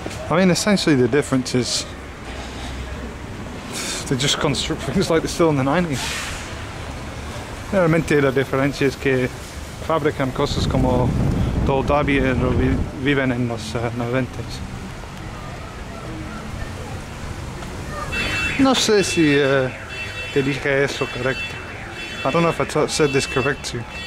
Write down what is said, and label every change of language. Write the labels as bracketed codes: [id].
[en] I mean, essentially the difference is they just construct things like they're still in the 90s. [es] Realmente la diferencia es que fabrican cosas como todavía viven en los 90s. No sé si te dije eso correcto. [en] I don't know if I said this correct to you.